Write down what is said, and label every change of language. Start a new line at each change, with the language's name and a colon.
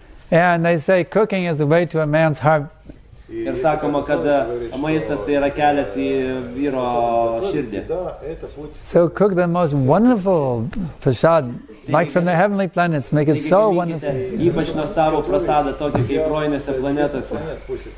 English: And they say cooking is the way to a man's heart.
Lithuanian: Ir sakoma, kad maistas tai yra kelias į vyro širdį.
English: So cook the most wonderful prasad, like from the heavenly planets, make it so wonderful.
Lithuanian: Ypač nuostabų prasadą tokį kaip rojinėse planetose.